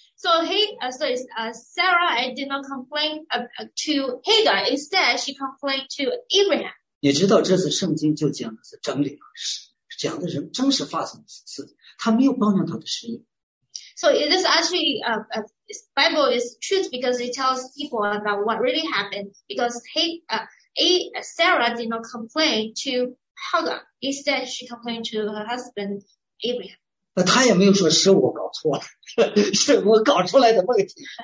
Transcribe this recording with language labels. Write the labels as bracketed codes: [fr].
[en] So Sarah did not complain to Hagar. Instead, she complained to Abraham. [zh] 你知道这次圣经就讲的是真理，讲的是真实发生的事。他没有抱怨他的使女。 [en] So it is actually Bible is truth because it tells people about what really happened because Sarah did not complain to Hagar. Instead, she complained to her husband Abraham. [zh] 那他也没有说是我搞错了，是我搞出来的问题。